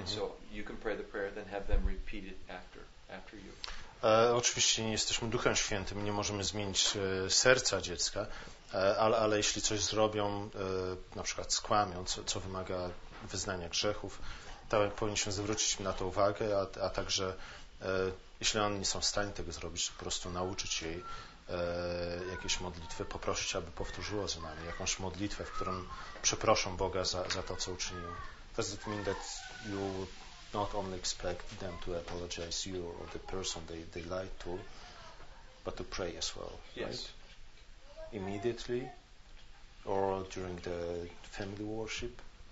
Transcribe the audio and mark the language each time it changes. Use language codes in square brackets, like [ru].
[en] And so you can pray the prayer, then have them repeat it after you. [pl] Oczywiście nie jesteśmy Duchem Świętym, nie możemy zmienić serca dziecka, ale jeśli coś zrobią, na przykład skłamią, co wymaga wyznania grzechów, to powinniśmy zwrócić im na to uwagę, a także jeśli oni nie są w stanie tego zrobić, to po prostu nauczyć jej jakiejś modlitwy, poprosić, aby powtórzyło za nami jakąś modlitwę, w którą przeproszą Boga za to, co uczynił. [en] Does it mean that you not only expect them to apologize you or the person they lied to, but to pray as well? Yes. Right? Immediately or during the family worship?